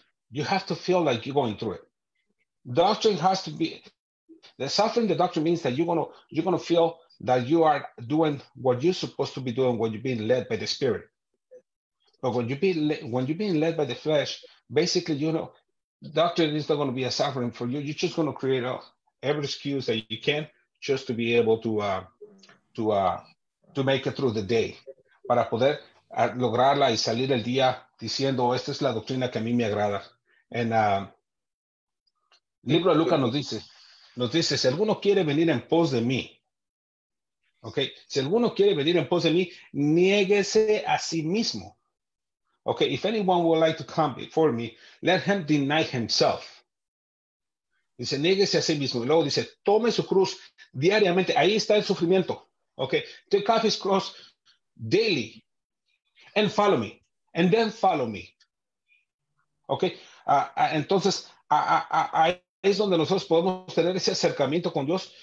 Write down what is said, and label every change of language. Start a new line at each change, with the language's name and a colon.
English: You have to feel like you're going through it. Doctrine has to be, the suffering the doctrine means that you're gonna feel that you are doing what you're supposed to be doing when you're being led by the Spirit. But when you're being led by the flesh, basically, you know, doctrine is not going to be a suffering for you. You're just going to create every excuse that you can just to be able to make it through the day.
Spanish: Para poder lograrla y salir el día diciendo, esta es la doctrina que a mí me agrada. En libro de Lucas nos dice, si alguno quiere venir en pos de mí, okay, si alguno quiere venir en pos de mí, niéguese a sí mismo.
English: Okay, if anyone would like to come before me, let him deny himself.
Spanish: Dice, niéguese a sí mismo. Y luego dice, tome su cruz diariamente. Ahí está el sufrimiento.
English: Okay, take off his cross daily and follow me. And then follow me.
Spanish: Okay, entonces, ahí es donde nosotros podemos tener ese acercamiento con Dios.